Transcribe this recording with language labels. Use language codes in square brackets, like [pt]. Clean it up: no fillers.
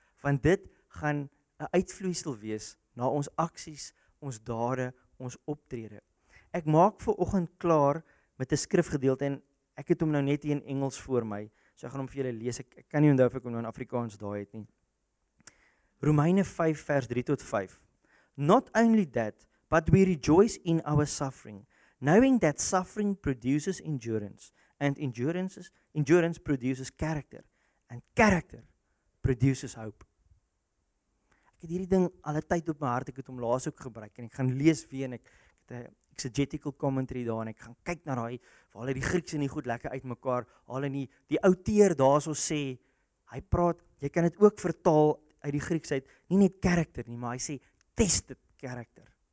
[af] Want dit gaan 'n uitvloeisel wees na ons aksies, ons dade, ons optrede. Ek maak vir oggend klaar met 'n skrifgedeelte en ek het hom nou net in Engels voor my, so ek gaan hom vir julle lees. Ek kan nie onthou of ek hom nou in Afrikaans daai het nie. Romeine 5 vers 3 tot 5. [en] Not only that, but we rejoice in our suffering, knowing that suffering produces endurance, and endurance produces character, and character produces hope. [af] Ek het hierdie ding al 'n tyd op my hart, ek het hom laas ook gebruik en ek gaan lees weer en ek het 'n exegetical commentary daar en ek gaan kyk na daai waar hulle die Grieks en die goed lekker uitmekaar haal en die ou teer daarso sê hy praat, jy kan dit ook vertaal uit die Grieks uit, nie net karakter nie, maar hy sê tested karakter.